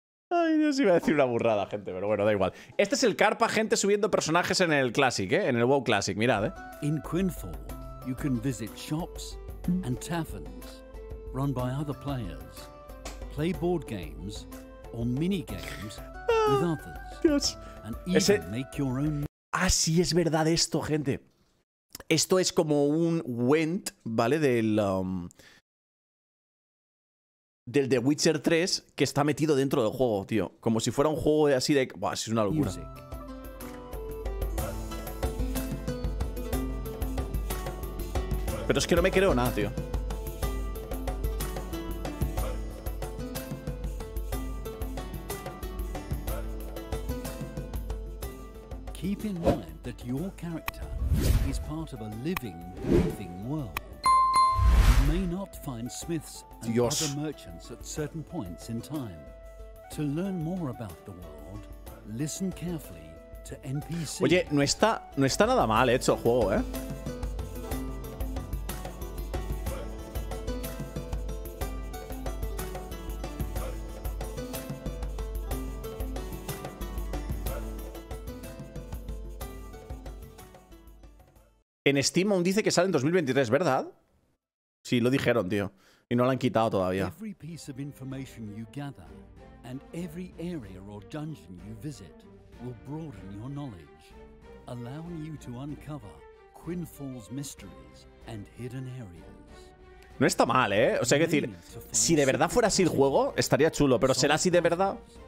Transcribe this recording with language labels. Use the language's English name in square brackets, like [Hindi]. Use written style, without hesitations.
[Spanish] Ay, Dios, iba a decir una burrada, gente, pero bueno, da igual. Este es el Carpa, gente, subiendo personajes en el Classic, ¿eh? En el WoW Classic, mirad, ¿eh? [English] In Quinfall, you can visit shops and taverns run by other players. Play board games or mini games with others. [Spanish] Dios. [English] And even [Spanish] ese... [English] make your own... [Spanish] Ah, sí, es verdad esto, gente. Esto es como un Went, ¿vale? Del... del The Witcher 3 que está metido dentro del juego, tío. Como si fuera un juego así de... Buah, es una locura. Music. Pero es que no me creo nada, tío. [English] Keep in mind that your character is part of a living, breathing world. May not find smiths and Dios. Other merchants at certain points in time. To learn more about the world, listen carefully to NPC. [Spanish] Oye, no está nada mal hecho el juego, ¿eh? En Steam aún dice que sale en 2023, ¿verdad? Sí, lo dijeron, tío. Y no lo han quitado todavía. [English] Every piece of information you gather and every area or dungeon you visit will broaden your knowledge, allowing you to uncover Quinfall's mysteries and hidden areas. [Spanish] No está mal, ¿eh? O sea, es decir, si de verdad fuera así el juego, estaría chulo, pero ¿será así de verdad?